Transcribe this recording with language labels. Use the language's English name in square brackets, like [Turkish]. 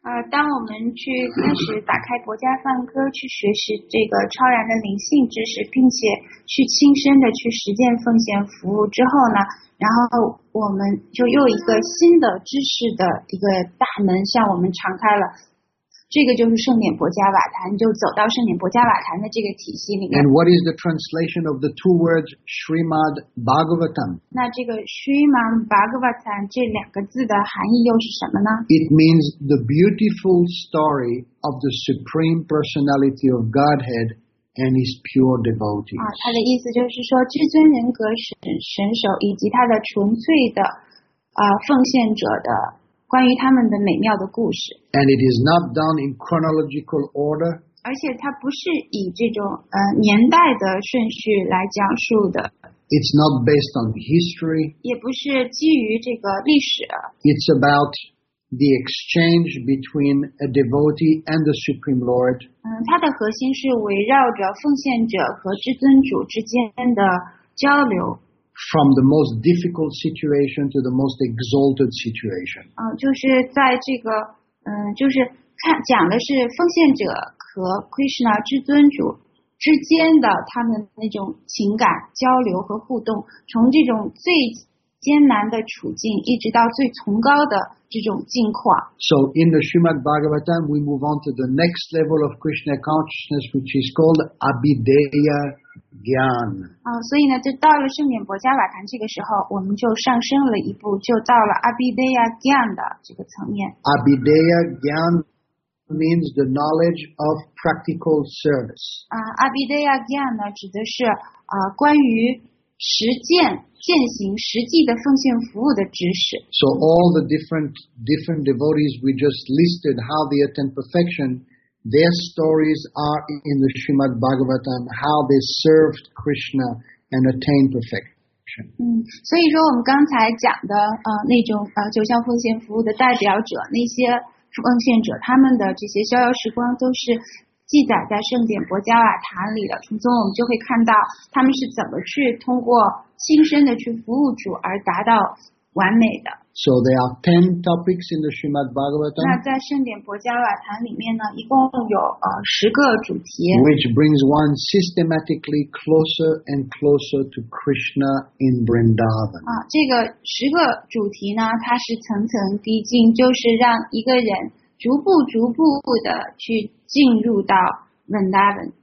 [Chinese] 当我们去开始打开国家梵歌，去学习这个超然的灵性知识，并且去亲身的去实践奉献服务之后呢，然后我们就又一个新的知识的一个大门向我们敞开了。这个就是圣典博加瓦坛，就走到圣典博加瓦坛的这个体系里面。 [English] And what is the translation of the two words Srimad Bhagavatam? [Chinese] 那这个 Srimad Bhagavatam 这两个字的含义又是什么呢？ [English] It means the beautiful story of the Supreme Personality of Godhead and His pure devotees. [Chinese] 它的意思就是说，至尊人格神首以及他的纯粹的奉献者的。关于他们的美妙的故事。 [English] And it is not done in chronological order. [Chinese] 而且它不是以这种年代的顺序来讲述的。 [English] It's not based on history. [Chinese] 也不是基于这个历史。 [English] It's about the exchange between a devotee and the Supreme Lord. [Chinese] 它的核心是围绕着奉献者和至尊主之间的交流。 [English] From the most difficult situation to the most exalted situation. [Chinese] 就是在这个，就是看讲的是奉献者和 Krishna 至尊主之间的他们那种情感交流和互动，从这种最艰难的处境，一直到最崇高的这种境况。 [English] So in the Srimad Bhagavatam, we move on to the next level of Krishna consciousness, which is called Abhideya. [Chinese] 所以呢，就到了圣典博加瓦坛这个时候，我们就上升了一步，就到了 Abhideya Gyan 的这个层面。 [English] Abhideya Gyan means the knowledge of practical service. [Chinese] Abhideya Gyan 呢，指的是关于实践、践行、实际的奉献服务的知识。 [English] So all the different devotees we just listed, how they attain perfection. Their stories are in the Srimad Bhagavatam, how they served Krishna and attained perfection. [Chinese] 所以说我们刚才讲的那种九项奉献服务的代表者，那些奉献者，他们的这些逍遥时光都是记载在圣典博加瓦坛里的。从中我们就会看到他们是怎么去通过亲身的去服务主而达到完美的。 [English] So there are 10 topics in the Srimad Bhagavatam. [Chinese] 那在圣典博加瓦坛里面呢，一共有十个主题。 [English] Which brings one systematically closer and closer to Krishna in Vrindavan. [Chinese] 这个十个主题呢，它是层层递进，就是让一个人逐步逐步的去进入到 Vrindavan.